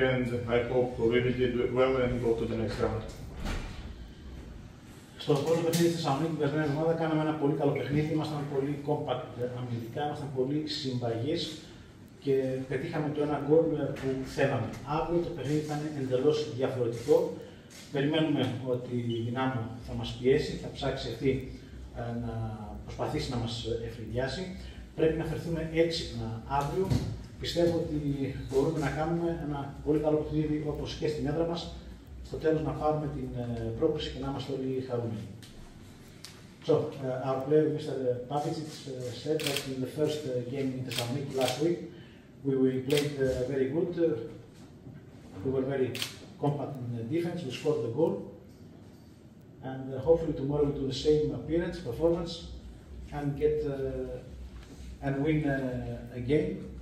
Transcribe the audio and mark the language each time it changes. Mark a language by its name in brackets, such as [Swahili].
[English] And I hope we will did well and go to the next round. [Greek] Στο πρώτο παιχνίδι στη Θεσσαλονίκη, την περασμένη εβδομάδα, κάναμε ένα πολύ καλό παιχνίδι. Ήμασταν πολύ compact αμυντικά, ήμασταν πολύ συμπαγής και πετύχαμε το ένα γκολ που θέλαμε. Αύριο το παιχνίδι ήταν εντελώς διαφορετικό. Περιμένουμε ότι η Δυνάμω θα μας πιέσει, θα ψάξει αυτή να προσπαθήσει να μας εφηδιάσει. Πρέπει να φερθούμε έξυπνα αύριο. Πιστεύω ότι μπορούμε να κάνουμε ένα πολύ καλό παιχνίδι όπως και στην έδρα μας. Στο τέλος να πάρουμε την πρόκριση και να είμαστε όλοι χαρούμενοι. [English] So, our player Mr. Pavicic said that in the first game in Thessaloniki last week, we played very good. We were very compact in the defense. We scored the goal, and hopefully tomorrow we do the same appearance, performance, and get and win a game.